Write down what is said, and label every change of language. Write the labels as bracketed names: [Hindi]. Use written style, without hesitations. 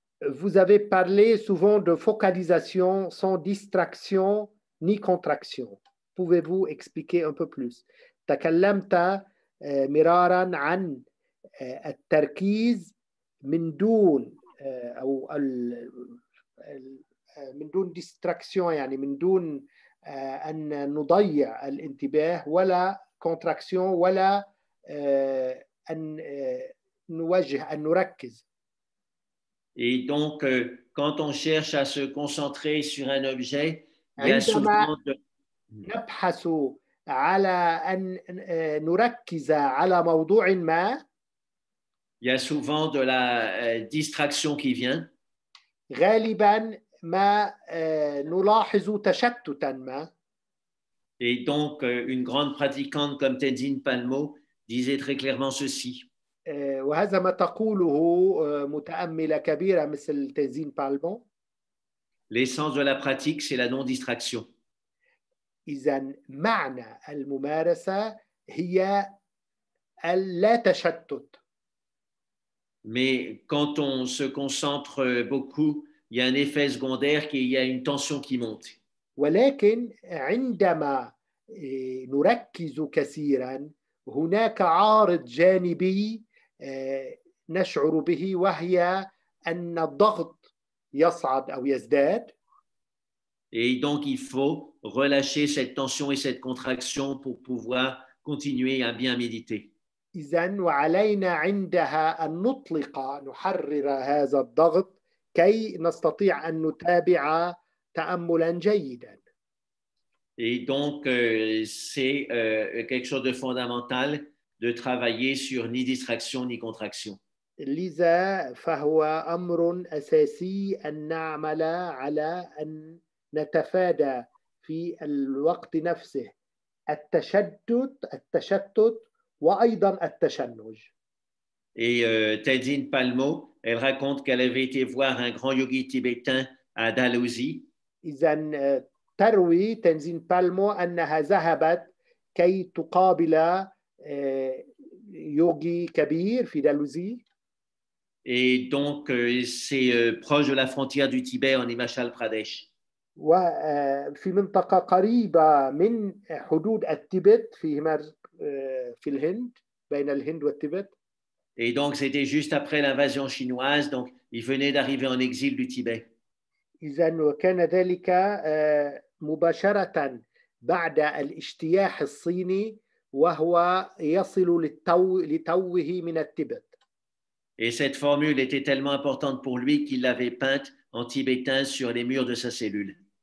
[French] vous avez parlé souvent de focalisation sans distraction ni contraction. Pouvez-vous expliquer un peu plus? [Arabic] تكلمت مرارا عن التركيز من دون او ال من دون ديستراكسيون يعني من دون ان نضيع الانتباه ولا كونتراكسيون ولا ان نوجه ان نركز. [French] Et donc quand on cherche à se concentrer sur un objet, il y a souvent [Arabic] نبحث على ان نركز على موضوع ما. [French] Il y a souvent de la distraction qui vient. [Arabic] غالبا ما نلاحظ تشتتا ما. [French] Et donc une grande pratiquante comme Tenzin Palmo disait très clairement ceci. [Arabic] وهذا ما تقوله متأملة كبيرة مثل تنزين بالمو. [French] L'essence de la pratique, c'est la non-distraction. [Arabic] إذن معنى الممارسة هي اللا تشتت. [French] Mais quand on se concentre beaucoup, il y a un effet secondaire qui il y a une tension qui monte. [Arabic] ولكن عندما نركز كثيرا هناك عارض جانبي نشعر به وهي أن الضغط يصعد أو يزداد. [French] Et donc il faut relâcher cette tension et cette contraction pour pouvoir continuer à bien méditer. [Arabic] إذن وعلينا عندها أن نطلق نحرر هذا الضغط كي نستطيع أن نتابع تأملا جيدا. [French] Et donc c'est quelque chose de fondamental de travailler sur ni distraction ni contraction. [Arabic] لذا فهو أمر أساسي أن نعمل على أن نتفادى في الوقت نفسه التشتت وأيضا التشنج. [French] Et Tenzin Palmo, elle raconte qu'elle avait été voir un grand yogi tibétain à Dalhousie. [Arabic] إذن تروي تنزين بالمو أنها ذهبت كي تقابل يوغي كبير في دالوزي. [French] Et donc c'est proche de la frontière du Tibet en Himachal Pradesh. [Arabic] وفي منطقة قريبة من حدود التبت في في الهند بين الهند والتبت. [French] Et donc c'était juste après l'invasion chinoise, donc il venait d'arriver en exil du Tibet. [Arabic] إذن وكان ذلك مباشرة بعد الاجتياح الصيني وهو يصل لتوه من التبت. [French] Et cette formule était tellement importante pour lui qu'il l'avait peinte en tibétain sur les murs de sa cellule.